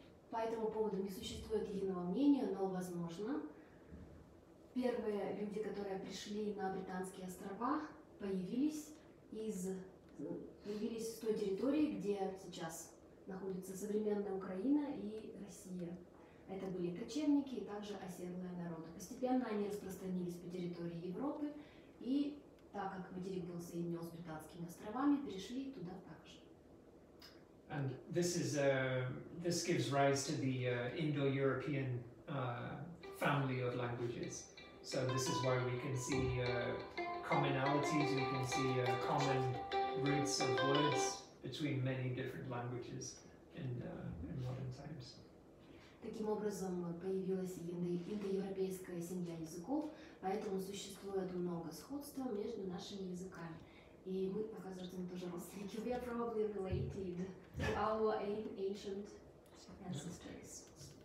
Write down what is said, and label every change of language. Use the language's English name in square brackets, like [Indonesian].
[Russian] По этому поводу не существует единого мнения, но возможно, первые люди, которые пришли на Британские острова, появились с той территории, где сейчас находится современная Украина и Россия. Это были кочевники и также оседлые народы. Постепенно они распространились по территории Европы, и так как материк был соединен с Британскими островами, перешли туда также. [English] And this gives rise to the Indo-European family of languages. So this is why we can see commonalities, we can see common roots of words between many different languages in modern times. [Russian] Таким образом, появилась индоевропейская семья языков, поэтому существует много сходства между нашими языками. И мы, оказывается, тоже родственники. [English] We are probably related to our ancient ancestors.